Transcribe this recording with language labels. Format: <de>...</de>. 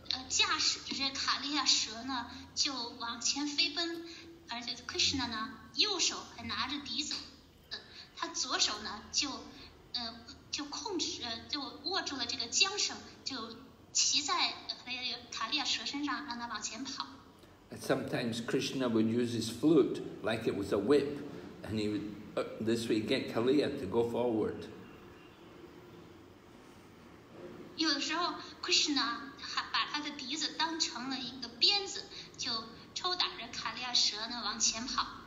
<zh>驾驶就是卡利亚蛇呢就往前飞奔，而且 Krishna 呢右手还拿着笛子，他左手呢就控制就握住了这个缰绳，就骑在卡利亚蛇身上让他往前跑。</zh> <en>Sometimes Krishna would use his flute like it was a whip, and he would this way get Kaliya to go forward.</en> <zh>有的时候 Krishna 还把他的笛子当成了一个鞭子，就抽打着卡利亚蛇呢往前跑。</zh>